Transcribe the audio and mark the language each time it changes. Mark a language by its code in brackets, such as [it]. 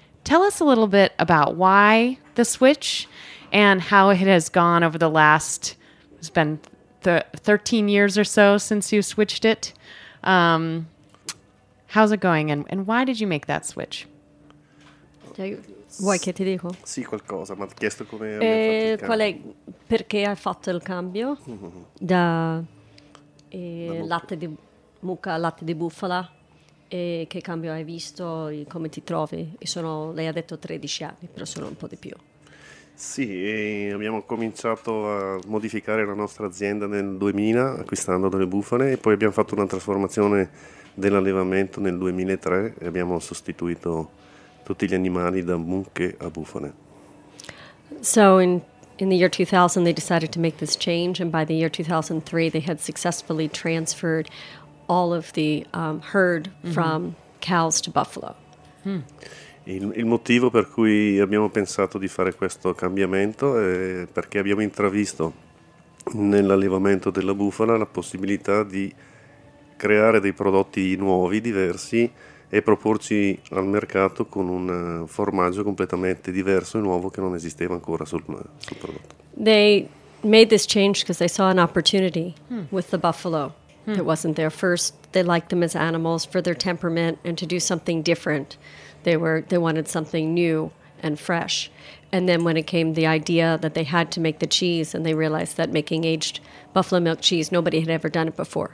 [en] Tell us a little bit about why the switch and how it has gone over the last, it's been 13 years or so since you switched it. How's it going, and why did you make that switch? [it] Vuoi che ti dico? Sì, qualcosa, ma ti ho chiesto come hai fatto il cambio. Qual è, perché hai fatto il cambio da latte di mucca a latte di bufala? E che cambio hai visto? Come ti trovi? Sono, lei ha detto 13 anni, però sono un po' di più. Sì, abbiamo cominciato a modificare la nostra azienda nel 2000, acquistando delle bufale, e poi abbiamo fatto una trasformazione dell'allevamento nel 2003 e abbiamo sostituito tutti gli animali da mucche a bufale. [en] So in the year 2000 they decided to make this change, and by the year 2003 they had successfully transferred all of the herd from cows to buffalo. Mm. [it] Il motivo per cui abbiamo pensato di fare questo cambiamento è perché abbiamo intravisto nell'allevamento della bufala la possibilità di creare dei prodotti nuovi, diversi, e proporci al mercato con un formaggio completamente diverso e nuovo che non esisteva ancora sul prodotto. [en] They made this change because they saw an opportunity with the buffalo that wasn't there. First, they liked them as animals for their temperament and to do something different. They wanted something new and fresh. And then when it came the idea that they had to make the cheese, and they realized that making aged buffalo milk cheese, nobody had ever done it before.